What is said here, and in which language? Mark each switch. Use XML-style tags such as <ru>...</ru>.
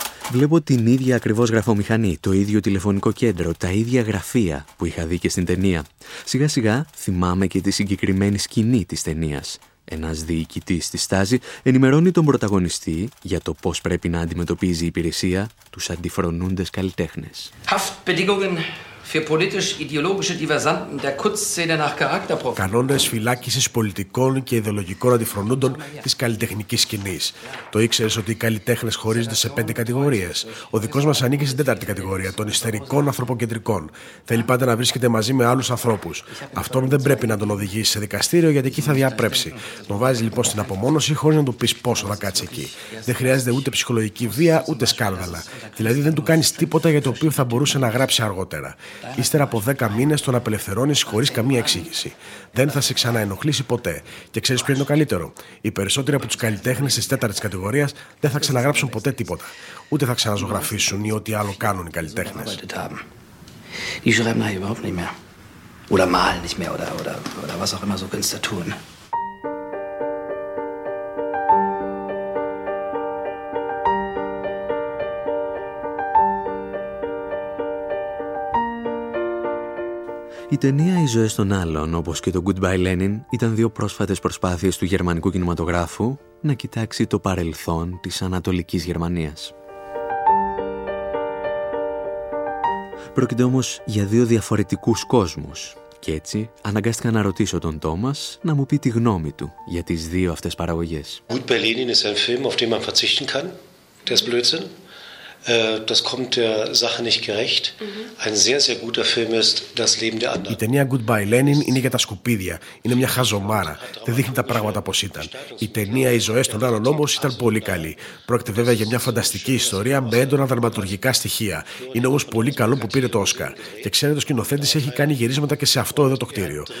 <el>Βλέπω την ίδια ακριβώς γραφομηχανή, το ίδιο τηλεφωνικό κέντρο, τα ίδια γραφεία που είχα δει και στην ταινία. Σιγά σιγά θυμάμαι και τη συγκεκριμένη σκηνή της ταινίας. Ένας διοικητής στη Στάζη ενημερώνει τον πρωταγωνιστή για το πώς πρέπει να αντιμετωπίζει η υπηρεσία τους αντιφρονούντες καλλιτέχνες.</el> <de>Haftbedingungen für politisch-ideologische Diversanten der Kutz-Szene nach Charakter profitieren.</de> <el>Κανόνες φυλάκισης πολιτικών και ιδεολογικών αντιφρονούντων της καλλιτεχνικής σκηνής. Το ήξερες ότι οι καλλιτέχνες χωρίζονται σε 5 κατηγορίες. Ο δικός μας ανήκει στην 4η κατηγορία, των ιστερικών ανθρωποκεντρικών. Θέλει πάντα να βρίσκεται μαζί με άλλους ανθρώπους. Αυτόν δεν πρέπει να τον οδηγήσει σε δικαστήριο, γιατί εκεί θα διαπρέψει. Τον βάζει λοιπόν στην απομόνωση χωρίς να του πεις πόσο θα κάτσει εκεί. Δεν χρειάζεται ούτε ψυχολογική βία, ούτε σκάνδαλα. Δηλαδή δεν του κάνεις τίποτα για το οποίο θα μπορούσε να γράψει αργότερα. Ύστερα από 10 μήνες τον απελευθερώνεις χωρίς καμία εξήγηση. Δεν θα σε ξαναενοχλήσει ποτέ. Και ξέρεις ποιο είναι το καλύτερο? Οι περισσότεροι από τους καλλιτέχνες της 4ης κατηγορίας δεν θα ξαναγράψουν ποτέ τίποτα. Ούτε θα ξαναζωγραφίσουν ή ό,τι άλλο κάνουν οι καλλιτέχνες.</el> <de>Die schreiben nachher überhaupt nicht mehr. Oder malen nicht mehr oder was auch immer so Künstler tun.</de> <el>Η ταινία «Οι ζωές των άλλων», όπως και το «Goodbye Lenin», ήταν δύο πρόσφατες προσπάθειες του γερμανικού κινηματογράφου να κοιτάξει το παρελθόν της Ανατολικής Γερμανίας. Πρόκειται όμως για δύο διαφορετικούς κόσμους και έτσι αναγκάστηκα να ρωτήσω τον Τόμας να μου πει τη γνώμη του για τις δύο αυτές παραγωγές. «Goodbye Lenin» είναι ένα φιλμ που μπορεί να</el> <de>verzichten kann. Der ist Blödsinn. Das kommt der Sache nicht gerecht. Ein sehr, sehr guter Film ist Das Leben der Anderen.</de> <el>Η ταινία Goodbye Lenin είναι για τα σκουπίδια. Είναι μια χαζομάρα. Δεν δείχνει τα πράγματα πώς ήταν. Η ταινία Οι ζωές των άλλων όμως ήταν πολύ καλή. Πρόκειται βέβαια για μια φανταστική ιστορία με έντονα δραματουργικά στοιχεία. Είναι όμως πολύ καλό που πήρε το Όσκαρ. Και ξέρετε, ο σκηνοθέτης έχει κάνει γυρίσματα και σε αυτό εδώ το κτίριο.</el>